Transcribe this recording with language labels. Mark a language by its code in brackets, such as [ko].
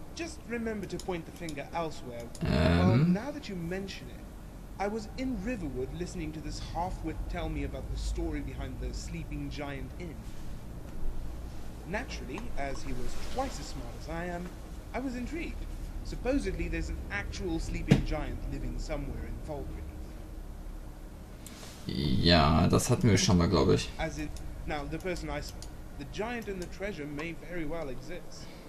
[en] Just remember to point the finger elsewhere. Now that you mention it, I was in Riverwood listening to this half-wit tell me about the story behind the Sleeping Giant Inn. Naturally, as he was twice as smart as I am, I was intrigued. Supposedly, there's an actual sleeping giant living somewhere in Falkreath. [de] Ja, das hatten wir schon mal, glaube ich. [en] As in, now, the person I spoke, the giant and the treasure may very well exist.